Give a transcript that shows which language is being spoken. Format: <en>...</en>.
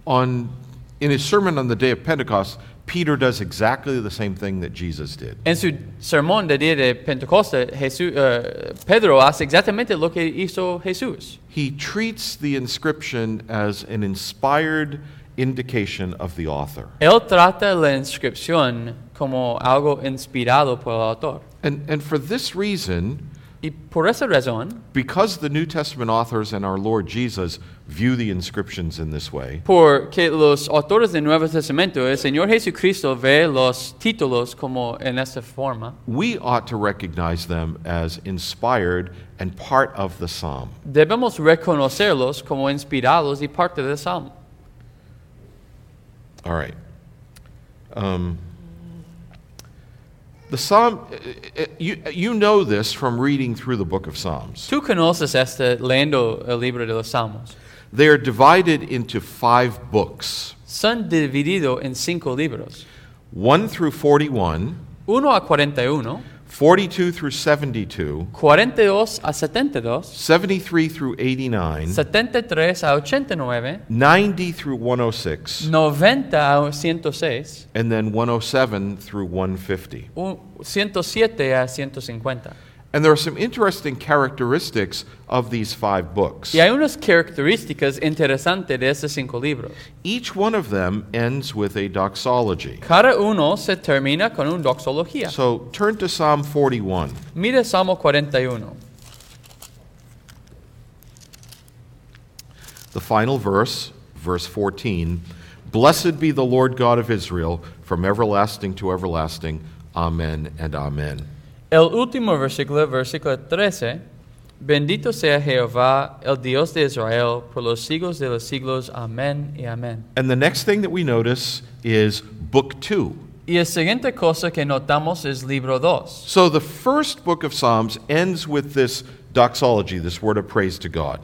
<en>In his sermon on the day of Pentecost, Peter does exactly the same thing that Jesus did.</en> <es>En su sermón del día de Pentecostés, Pedro hace exactamente lo que hizo Jesús.</es> <en>He treats the inscription as an inspired indication of the author.</en> <es>Él trata la inscripción como algo inspirado por el autor.</es> <en>And for this reason,</en> <es>y por esa razón,</es> <en>because the New Testament authors and our Lord Jesus view the inscriptions in this way,</en> <es>porque los autores del Nuevo Testamento, el Señor Jesucristo ve los títulos como en esta forma,</es> <en>we ought to recognize them as inspired and part of the psalm.</en> <es>Debemos reconocerlos como inspirados y parte del salmo.</es> <en>All right. The psalm, you know this from reading through the book of Psalms.</en> <es>Tú conoces este leyendo el libro de los Salmos.</es> <en>They are divided into five books.</en> <es>Son divididos en cinco libros.</es> <en>1 through 41.</en> <es>1 a 41.</es> <en>42 through 72.</en> <es>42 a 72.</es> <en>73 through 89.</en> <es>73 a 89.</es> <en>90 through 106.</en> <es>90 a 106.</es> <en>And then 107 through 150.</en> <es>107 a 150.</es> <en>And there are some interesting characteristics of these five books.</en> <es>Y hay unas características interesantes de esos cinco libros.</es> <en>Each one of them ends with a doxology.</en> <es>Cada uno se termina con una doxología.</es> <en>So turn to Psalm 41.</en> <es>Mira Salmo 41.</es> <en>the final verse, verse 14, "Blessed be the Lord God of Israel from everlasting to everlasting. Amen and amen."</en> <es>El último versículo, versículo 13, "Bendito sea Jehová, el Dios de Israel, por los siglos de los siglos. Amén y amén."</es> <en>And the next thing that we notice is book 2.</en> <es>Y la siguiente cosa que notamos es libro 2.</es> <en>So the first book of Psalms ends with this doxology, this word of praise to God.</en>